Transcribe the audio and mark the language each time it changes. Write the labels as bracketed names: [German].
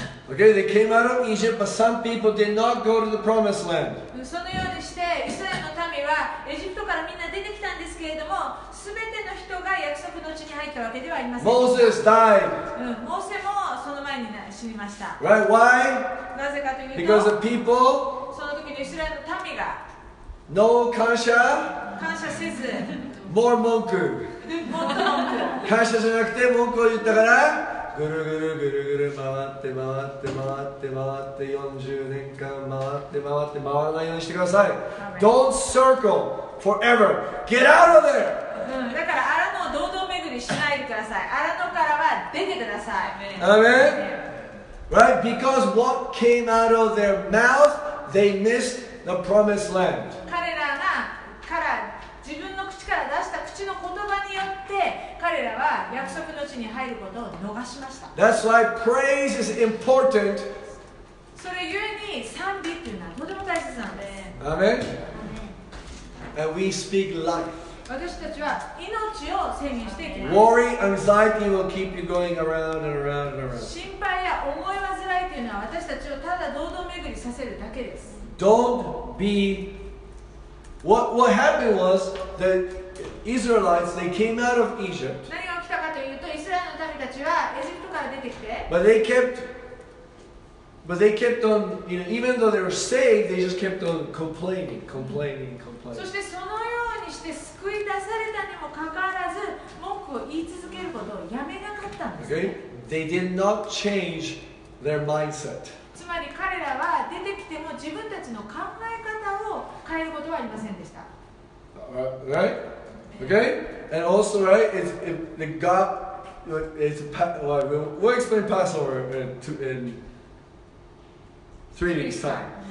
[English] Okay, they came out of Egypt, but some people did not go to the promised land. [Japanese] そのようにして、イスラエルの民はエジプトからみんな出てきたんですけれども、すべての人が約束の地に入ったわけではありません。 [English] Moses died. [Japanese] モーセもその前に死にました。 [English] Right, why? [Japanese] なぜかというと、 [English] Because the people, [Japanese] その時にイスラエルの民が、 [English] No 感謝、 [Japanese] 感謝せず、 [English] More 文句、 [Japanese] もっと文句、感謝じゃなくて文句を言ったから、ぐるぐるぐるぐる回って回って回って回って40年間回って回って回らないようにしてください。 [English] Don't circle forever. Get out of there.、 [Japanese] うん、だからアラノを堂々巡りしないでください。アラノからは出てください。アメン。 [English] Right, because what came out of their mouth, they missed the promised land. [Japanese] 彼らがから自分の口から出した口の言葉によって彼らは約束の地に入ることを逃しました。 [English] That's why praise is important. [Japanese] それゆえに賛美というのはとても大切なんで。 [English] Amen. And we speak life. [Japanese] 私たちは命を宣言していきます。 [English] Worry, anxiety will keep you going around and around and around. [Japanese] 心配や思い煩いというのは私たちをただ堂々巡りさせるだけです。 Don't be. What happened was that Israelites, they came out of Egypt. 何が起きたかというと、イスラエルの民たちはエジプトから出てきて。 [English] But they kept on, you know, even though they were saved, they just kept on complaining. [Japanese] そしてそのようにして救い出されたにもかかわらず、文句を言い続けることをやめなかったんです。 [English] Okay? They did not change their mindset. [Japanese] つまり彼らは出てきても自分たちの考え方を変えることはありませんでした。 [English] Right? Okay? And also, right, we'll explain Passover in three weeks time.